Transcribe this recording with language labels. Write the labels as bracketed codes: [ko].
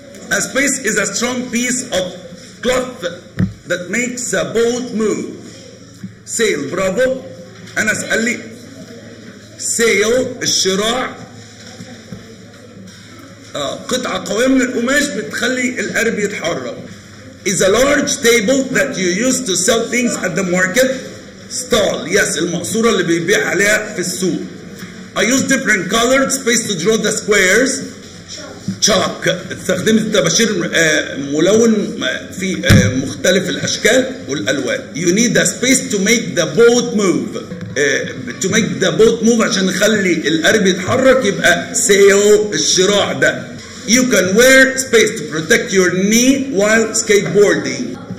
[en] A space is a strong piece of cloth that makes a boat move. Sail, bravo. [ar] أنا أسأل لي [en] sail الشراع. [ar] قطعة قوية من القماش بتخلي القارب يتحرك. [en] Is a large table that you use to sell things at the market. Stall, yes, [ar] المقصورة اللي بيبيع عليها في السوق. [en] I use different colored space to draw the squares. [ar] Chalk, استخدمت تباشير ملون في مختلف الأشكال والألوان. [en] You need a space to make the boat move. To make the boat move [ar] عشان نخلي القارب يتحرك يبقى sail الشراع ده. [en] You can wear space to protect your knee while skateboarding.